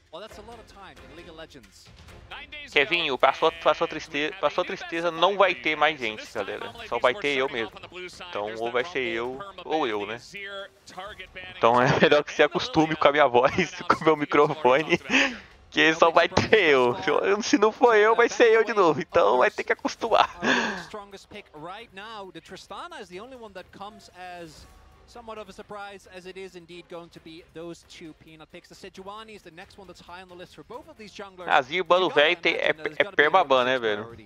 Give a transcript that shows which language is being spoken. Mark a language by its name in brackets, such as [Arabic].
[English] Well, that's a lot of time in League of Legends. [Portuguese] Kevinho, passou a tristeza, não vai ter mais gente, galera. Só vai ter eu mesmo. Então, ou vai ser eu, ou eu, né? Então é melhor que se acostume com a minha voz, com o meu microfone, que só vai ter eu. Se não for eu, vai ser eu de novo. Então vai ter que acostumar. [English] The Tristana is the only one that comes as somewhat of a surprise, as it is indeed going to be those two Pina picks. The Sejuani is the next one that's high on the list for both of these junglers. [Portuguese] Azir, bando velho, tem, é permaban, né, velho?